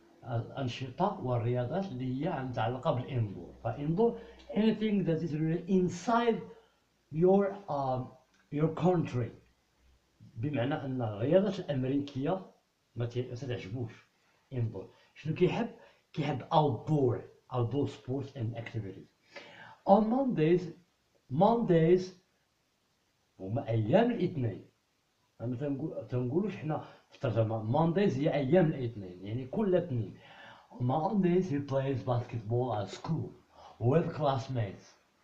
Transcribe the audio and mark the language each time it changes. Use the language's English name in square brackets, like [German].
[Arabic] الأنشطة والرياضات اللي هي عندها علاقة بالإندور. [English] فإندور anything that is really inside your country. [Arabic] بمعنى أن الرياضات الأمريكية ما تعجبوش إندور. شنو كيحب؟ كيحب [English] outdoor sports and activities. On Mondays [Arabic] هما أيام الاثنين. مثلا تنقولوش حنا في الترجمة Mondays هي أيام الاثنين، يعني كل اثنين. [English] Mondays he plays basketball at school with classmates.